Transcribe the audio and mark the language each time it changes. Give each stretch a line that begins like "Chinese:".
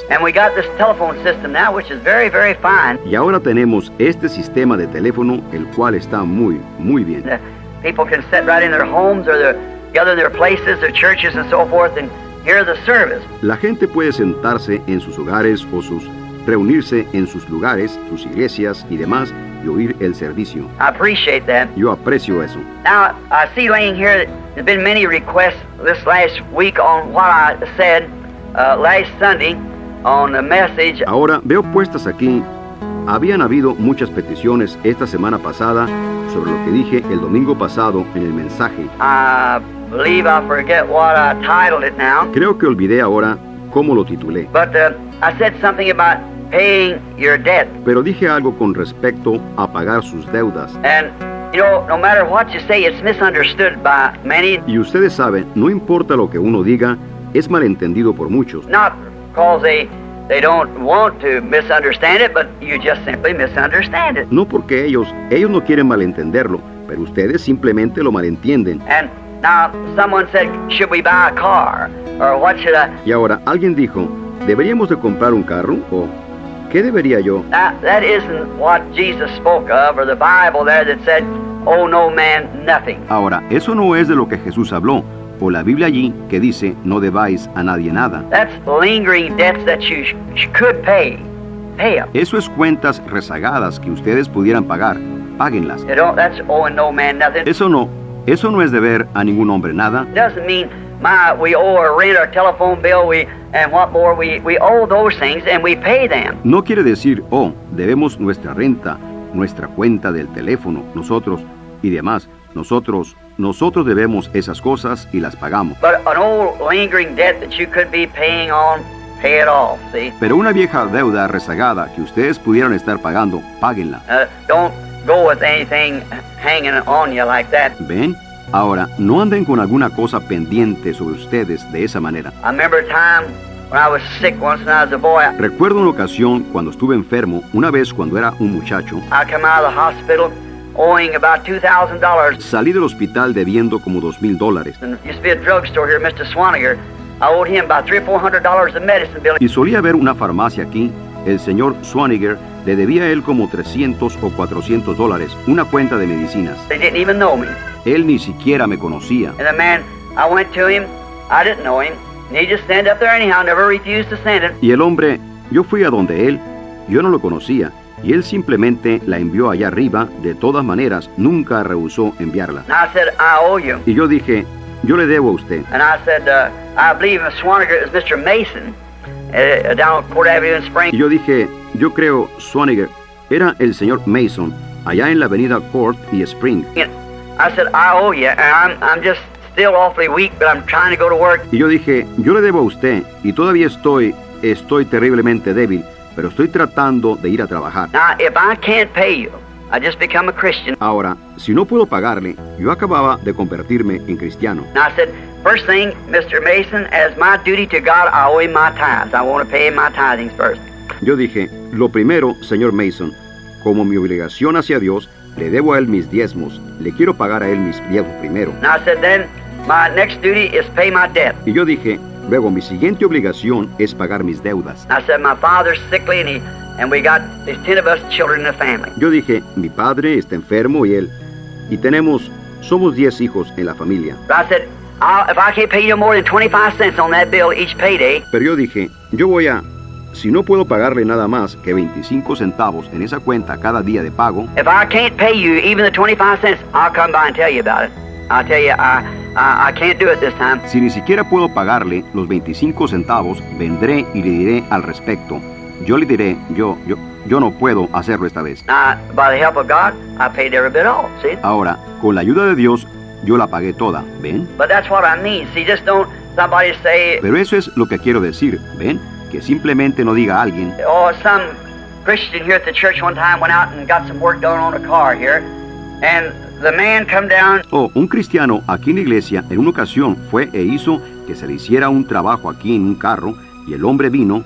English: And we got this telephone system now, which is very, very fine.
Spanish: Y ahora tenemos este sistema de teléfono, el cual está muy, muy bien.
English: The people can sit right in their homes or gather in their places, their churches and so forth, and hear the service.
Spanish: La gente puede sentarse en sus hogares o sus reunirse en sus lugares, sus iglesias y demás, y oír el servicio.
English: I appreciate that.
Spanish: Yo aprecio eso.
English: Now, I see laying here that there have been many requests this last week on what I said last Sunday on the message.
Spanish: Ahora veo puestas aquí, habían habido muchas peticiones esta semana pasada sobre lo que dije el domingo pasado en el mensaje.
English: I believe I forget what I titled it now.
Spanish: Creo que olvidé ahora cómo lo titulé.
English: But I said something about paying your debt.
Spanish: Pero dije algo con respecto a pagar sus deudas.
English: And you know, no matter what you say, it's misunderstood by many.
Spanish: Y ustedes saben, no importa lo que uno diga, es malentendido por muchos.
English: Not because they don't want to misunderstand it, but you just simply misunderstand it.
Spanish: No porque ellos no quieren malentenderlo, pero ustedes simplemente lo malentienden.
English: And now someone said, should we buy a car? Or what should I?
Spanish: Y ahora alguien dijo, ¿deberíamos de comprar un carro o qué debería yo?
English: That isn't what Jesus spoke of, or the Bible there that said, owe no man nothing.
Spanish: Ahora, eso no es de lo que Jesús habló, o la Biblia allí que dice, no debáis a nadie nada.
English: That's lingering debts that you could pay. Pay them.
Spanish: Eso es cuentas rezagadas que ustedes pudieran pagar. Páguenlas.
English: That's owing no man nothing.
Spanish: Eso no es deber a ningún hombre nada.
English: Doesn't mean, we owe our rent, our telephone bill, and what more, we owe those things and we pay them.
Spanish: No quiere decir, debemos nuestra renta, nuestra cuenta del teléfono, nosotros y demás. Nosotros debemos esas cosas y las pagamos.
English: But an old lingering debt that you could be paying on, pay it off, see?
Spanish: Pero una vieja deuda rezagada que ustedes pudieran estar pagando, páguenla.
English: Don't go with anything hanging on you like that.
Spanish: ¿Ven? Ahora, no anden con alguna cosa pendiente sobre ustedes de esa manera.
English: I remember a time when I was sick once when I was a boy.
Spanish: Recuerdo una ocasión cuando estuve enfermo, una vez cuando era un muchacho.
English: I came out of the hospital owing about $2,000.
Spanish: Salí del hospital debiendo como $2,000.
English: There used to be a drugstore here, Mr. Swaniger. I owed him about $300-$400 of medicine bill.
Spanish: Y solía haber una farmacia aquí. El señor Swaniger le debía a él como $300 o $400, una cuenta de medicinas.
English: They didn't even know me.
Spanish: Él ni siquiera me conocía.
English: And the man, I went to him, I didn't know him, and he just stand up there anyhow, never refused to send it.
Spanish: Y el hombre, yo fui a donde él, yo no lo conocía, y él simplemente la envió allá arriba, de todas maneras, nunca rehusó enviarla.
English: And I said, I owe you.
Spanish: Y yo dije, yo le debo a usted.
English: And I said, I believe Swaniger is Mr. Mason, down on Court Avenue in Spring.
Spanish: Y yo dije, yo creo Swaniger era el señor Mason, allá en la avenida Court y Spring.
English: And I said, I owe you, and I'm just still awfully weak, but I'm trying to go to work.
Spanish: Y yo dije, yo le debo a usted, y todavía estoy terriblemente débil, pero estoy tratando de ir a trabajar.
English: Now, if I can't pay you, I just become a Christian.
Spanish: Ahora, si no puedo pagarle, yo acababa de convertirme en cristiano.
English: And I said, first thing, Mr. Mason, as my duty to God, I owe him my tithes. I want to pay him my tithings first.
Spanish: Yo dije, lo primero, señor Mason, como mi obligación hacia Dios, le debo a él mis diezmos. Le quiero pagar a él mis diezmos primero.
English: And I said, then, my next duty is pay my debt.
Spanish: Y yo dije, luego mi siguiente obligación es pagar mis deudas.
English: And I said, my father's sickly and we got these 10 of us children in the family.
Spanish: Yo dije, mi padre está enfermo y él, y tenemos, somos 10 hijos en la familia.
English: But I said, if I can't pay you more than 25 cents on that bill each payday.
Spanish: Pero yo dije, yo voy a, si no puedo pagarle nada más que 25 centavos en esa cuenta cada día de pago.
English: If I can't pay you even the 25 cents, I'll come by and tell you about it. I'll tell you, I can't do it this time.
Spanish: Si ni siquiera puedo pagarle los 25 centavos, vendré y le diré al respecto. Yo le diré, yo no puedo hacerlo esta vez.
English: By the help of God, I paid every bit all, see?
Spanish: Ahora, con la ayuda de Dios, yo la pagué toda, ¿ven?
English: But that's what I mean. See, just don't somebody say...
Spanish: Pero eso es lo que quiero decir, ¿ven? Que simplemente no diga a alguien...
English: Oh, some Christian here at the church one time went out and got some work done on a car here, and... The man come down.
Spanish: Oh, un cristiano aquí en la iglesia en una ocasión fue e hizo que se le hiciera un trabajo aquí en un carro y el hombre vino.